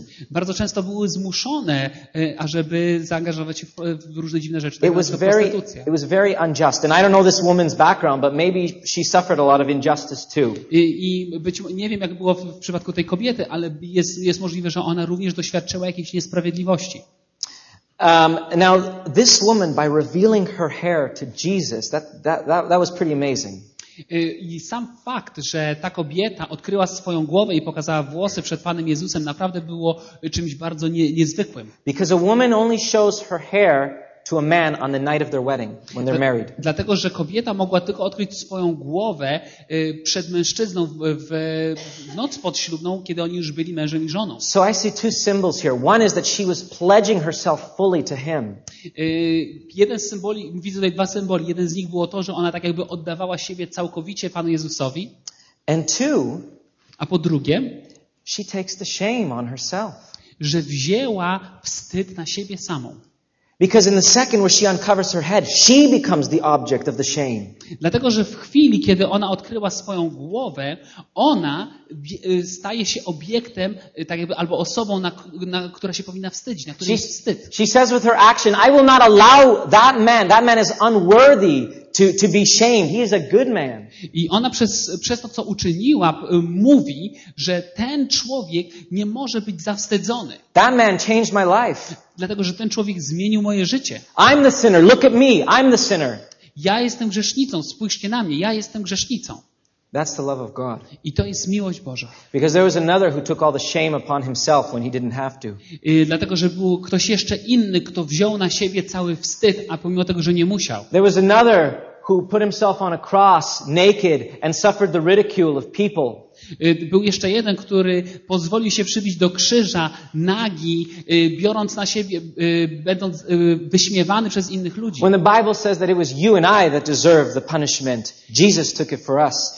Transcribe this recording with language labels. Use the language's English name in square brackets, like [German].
[Polish] Bardzo często były zmuszone, ażeby zaangażować się w różne dziwne rzeczy. [English] It was very unjust. And I don't know this woman's background, but maybe she suffered a lot of injustice too. [Polish] Nie wiem, jak było w przypadku tej kobiety, ale jest możliwe, że ona również doświadczyła jakiejś niesprawiedliwości. [English] Now this woman, by revealing her hair to Jesus, that was pretty amazing. [Polish] I sam fakt, że ta kobieta odkryła swoją głowę i pokazała włosy przed Panem Jezusem, naprawdę było czymś bardzo niezwykłym. [English] Because a woman only shows her hair to a man on the night of their wedding, when they're married. [Polish] Dlatego że kobieta mogła tylko odkryć swoją głowę przed mężczyzną w noc podślubną, kiedy oni już byli mężem i żoną. [English] So I see two symbols here. One is that she was pledging herself fully to him. [Polish] Jeden z symboli, widzę tutaj dwa symboli. Jeden z nich było to, że ona tak jakby oddawała siebie całkowicie Panu Jezusowi. [English] And two, [Polish] a po drugie, [English] she takes the shame on herself. [Polish] Że wzięła wstyd na siebie samą. [English] Because in the second where she uncovers her head, she becomes the object of the shame. [Polish] Dlatego że w chwili, kiedy ona odkryła swoją głowę, ona staje się obiektem, tak jakby, albo osobą, na która się powinna wstydzić, na której jest wstyd. [English] She says with her action, I will not allow that man. That man is unworthy to be shamed. He is a good man. [Polish] I ona przez to, co uczyniła, mówi, że ten człowiek nie może być zawstydzony. [English] That man changed my life. [Polish] Dlatego że ten człowiek zmienił moje życie. [English] I'm the sinner. Look at me. I'm the sinner. [Polish] Ja jestem grzesznicą. Spójrzcie na mnie. Ja jestem grzesznicą. [English] That's the love of God. [Polish] I to jest miłość Boża. [English] Because there was another who took all the shame upon himself when he didn't have to. [Polish] Dlatego że był ktoś jeszcze inny, kto wziął na siebie cały wstyd, a pomimo tego, że nie musiał. [English] There was another who put himself on a cross naked and suffered the ridicule of people. [Polish] Był jeszcze jeden, który pozwolił się przybić do krzyża nagi, biorąc na siebie, będąc wyśmiewany przez innych ludzi. [English] When the Bible says that it was you and I that deserved the punishment, Jesus took it for us.